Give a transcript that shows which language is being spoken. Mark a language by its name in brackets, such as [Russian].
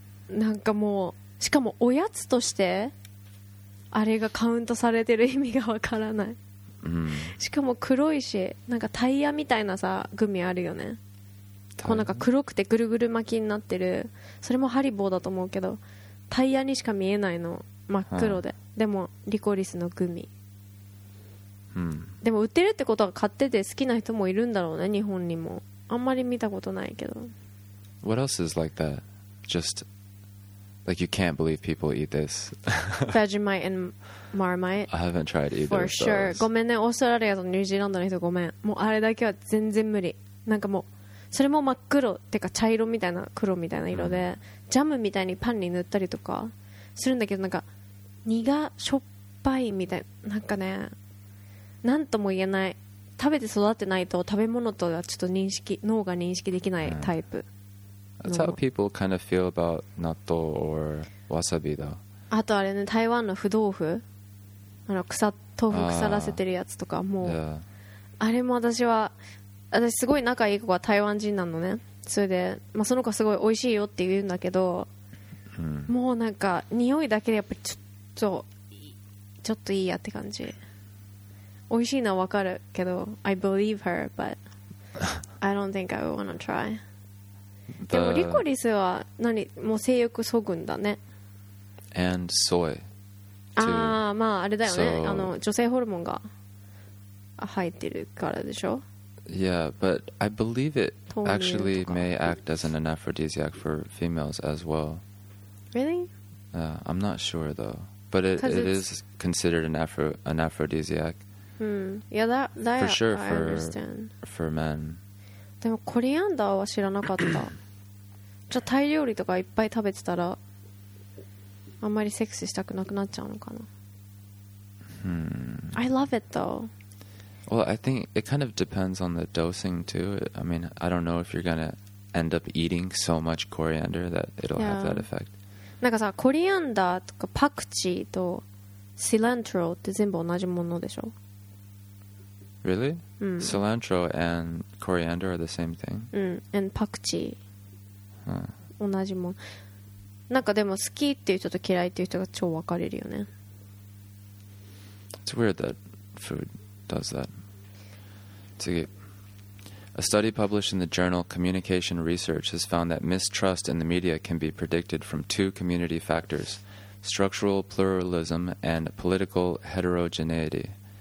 [Japanese] なんかもうしかもおやつとしてあれがカウントされてる意味がわからないしかも黒いしなんかタイヤみたいなさグミあるよねこうなんか黒くてぐるぐる巻きになってるそれもハリボーだと思うけどタイヤにしか見えないの真っ黒で、はい、でもリコリスのグミ、うん、でも売ってるってことは買ってて好きな人もいるんだろうね日本にもあんまり見たことないけど [English] What else is like that? Just like you can't believe people eat this Vegemite and Marmite I haven't tried either For sure [Japanese] ごめんねオーストラリアとニュージーランドの人ごめんもうあれだけは全然無理なんかもうそれも真っ黒ってか茶色みたいな黒みたいな色で、mm-hmm. ジャムみたいにパンに塗ったりとかするんだけどなんか苦しょっぱいみたいなんかねなんとも言えない食べて育ってないと食べ物とはちょっと認識脳が認識できないタイプ、 mm-hmm. [English] That's how people kind of feel about natto or wasabi though [Japanese] あとあれね台湾の不豆腐あの草豆腐腐らせてるやつとかもう、 [English] yeah. [Japanese] あれも私すごい仲いい子が台湾人なのねそれで、まあ、その子すごい美味しいよって言うんだけど、うん、もうなんか匂いだけでやっぱりちょっといいやって感じ美味しいのは分かるけど [English] I believe her but I don't think I would want to try [Japanese] でもリコリスは何もう性欲そぐんだね [English] and soy [Japanese] ああまああれだよね、so、あの女性ホルモンが入ってるからでしょ [English] Yeah, but I believe it actually may act as an anaphrodisiac for females as well Really? I'm not sure though But it is considered an aphrodisiac Yeah, that for sure, I understand For men [Japanese] でもコリアンダーは知らなかったじゃあタイ料理とかいっぱい食べてたらあんまりセックスしたくなくなっちゃうのかな。 [English] I love it though. Well, I think it kind of depends on the dosing too. I mean, I don't know if you're gonna end up eating so much coriander that it'll have that effect. [Japanese] なんかさ、コリアンダーとかパクチーとシラントロって全部同じものでしょ [English] ？Really? [Japanese] うん。 [English] Cilantro and coriander are the same thing. [Japanese] うん。And パクチー。うん。同じもの。なんかでも好きっていう人と嫌いっていう人が超分かれるよね [English] It's weird that food does that 次 A study published in the journal Communication Research has found that mistrust in the media can be predicted from two community factors structural pluralism and political heterogeneity